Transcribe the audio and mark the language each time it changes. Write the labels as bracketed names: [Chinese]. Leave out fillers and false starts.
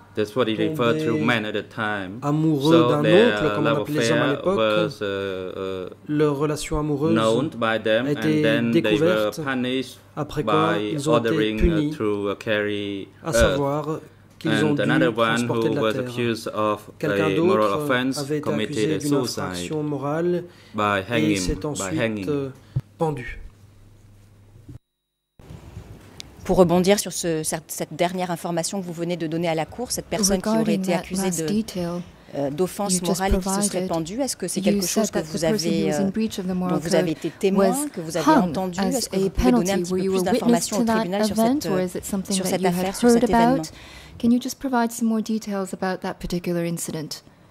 [English] That's what he referred to men at the time. [French] Amoureux d'un oncle, comme on appelait les hommes à l'époque. Leur relation amoureuse [English] known by them, [French] a été découverte. Après quoi, ils ont été punis, à savoir qu'ils ont dû transporter de la terre. Quelqu'un d'autre avait été accusé d'une infraction morale et il s'est ensuite pendu. Pour rebondir sur cette dernière information que vous venez de donner à la Cour, cette personne qui aurait été accusée d'offense morale et qui se serait pendue, est-ce que c'est quelque chose que vous avez, dont vous avez été témoin, que vous avez entendu? Est-ce que vous pouvez donner un petit peu plus d'informations au tribunal sur cette affaire, sur cet événement? [English] Can you just provide some more details about that particular incident?